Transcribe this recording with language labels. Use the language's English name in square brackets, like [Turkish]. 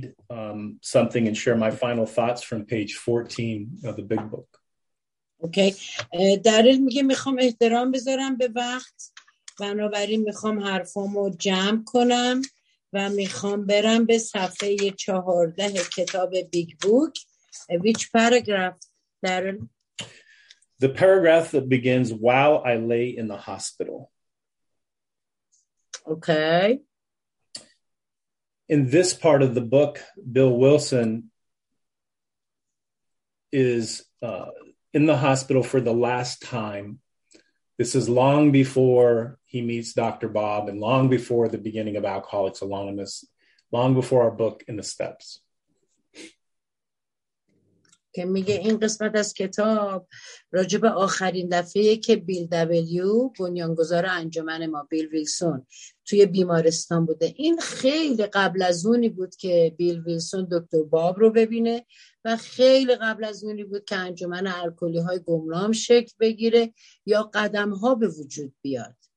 [English] I want to read something and share my final thoughts from page 14 of the big book. Okay. [Persian] دریل میگه میخوام احترام بذارم به وقت، بنابراین میخوام حرفامو جمع کنم و میخوام برم به صفحه 14 کتاب بیگ بوک. [English] Which paragraph, Daryl? The paragraph that begins while I lay in the hospital. Okay. In this part of the book, Bill Wilson is in the hospital for the last time. This is long before he meets Dr. Bob and long before the beginning of Alcoholics Anonymous, long before our book In the Steps. [Persian] که میگه این قسمت از کتاب راجب آخرین دفعه‌ای که بیل دبلیو بنیانگذار انجمن ما بیل ویلسون توی بیمارستان بوده. این خیلی قبل از اونی بود که بیل ویلسون دکتر باب رو ببینه و خیلی قبل از اونی بود که انجمن الکلی های گمنام شکل بگیره یا قدم ها به وجود بیاد.